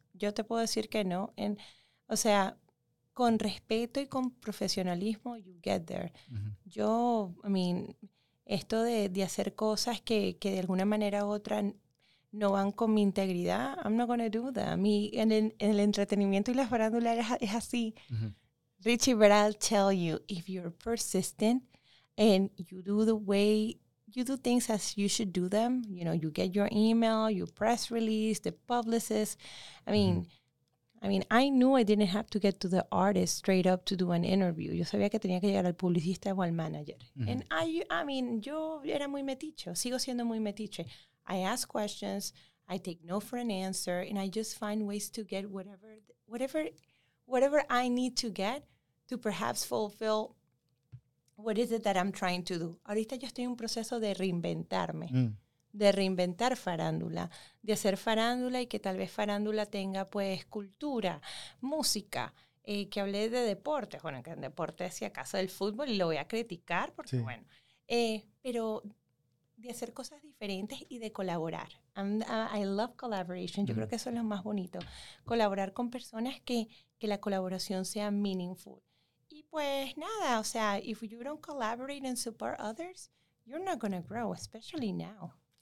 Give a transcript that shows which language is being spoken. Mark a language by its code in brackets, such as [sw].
[es] Yo te puedo decir que no. And, o sea, con respeto y con profesionalismo, [en] you get there. [es] Mm-hmm. Yo, I mean, esto de hacer cosas que de alguna manera u otra no van con mi integridad, [en] I'm not gonna do that. [es] Mi, en el entretenimiento y la farándula es así. Mm-hmm. [en] Richie Brad tell you, if you're persistent and you do the way you do things as you should do them, you know, you get your email, you press release, the publicist. I mean, I knew I didn't have to get to the artist straight up to do an interview. [es] Yo sabía que tenía que llegar al publicista o al manager. Mm-hmm. And I mean, yo era muy metiche, sigo siendo muy metiche. [en] I ask questions, I take no for an answer, and I just find ways to get whatever I need to get to perhaps fulfill what is it that I'm trying to do. [es] Ahorita yo estoy en un proceso de reinventarme, de reinventar farándula, de hacer farándula y que tal vez farándula tenga pues cultura, música, que hable de deportes, bueno, que en deportes si acaso del fútbol y lo voy a criticar porque sí. Bueno, pero de hacer cosas diferentes y de colaborar. [en] I love collaboration. [es] Yo creo que eso es lo más bonito. Colaborar con personas que la colaboración sea meaningful. Y pues nada, o sea, [en] if you don't collaborate and support others, you're not going to grow, especially now.